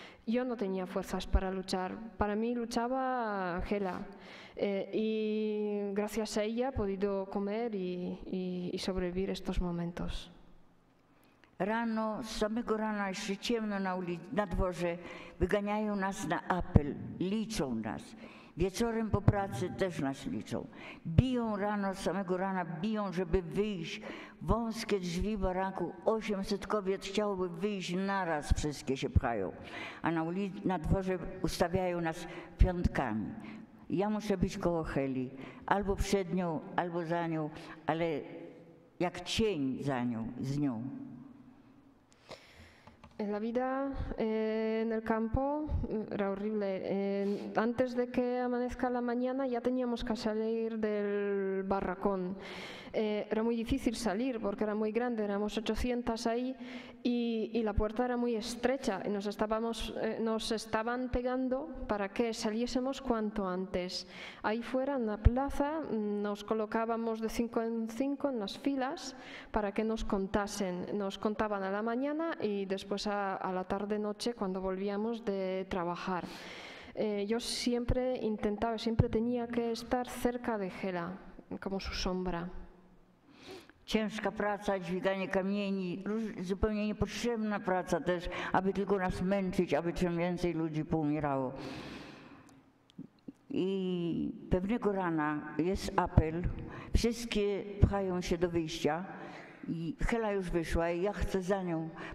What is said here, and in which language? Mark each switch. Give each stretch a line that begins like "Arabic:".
Spanish: Yo no tenía fuerzas para luchar. Para mí luchaba Gela. Y gracias a ella he podido comer y sobrevivir estos momentos.
Polish: Rano, z samego rana, jeszcze ciemno na dworze, wyganiają nas na apel, liczą nas. Wieczorem po pracy też nas liczą. Biją rano, z samego rana biją, żeby wyjść. Wąskie drzwi baraku, 800 kobiet chciałoby wyjść, naraz wszystkie się pchają. A na dworze ustawiają nas piątkami. Ja muszę być koło Heli, albo przed nią, albo za nią, ale jak cień za nią, z nią.
Spanish: La vida en el campo era horrible. Antes de que amanezca la mañana ya teníamos que salir del barracón. Era muy difícil salir porque era muy grande, éramos 800 ahí y la puerta era muy estrecha y nos estaban pegando para que saliésemos cuanto antes. Ahí fuera, en la plaza, nos colocábamos de 5 en 5 en las filas para que nos contasen. Nos contaban a la mañana y después a la tarde-noche cuando volvíamos de trabajar. Yo siempre intentaba, siempre tenía que estar cerca de Gela, como su sombra.
Polish: Ciężka praca, dźwiganie kamieni, zupełnie niepotrzebna praca też, aby tylko nas męczyć, aby czym więcej ludzi poumierało. I pewnego rana jest apel, wszystkie pchają się do wyjścia i Hela już wyszła i ja chcę za nią.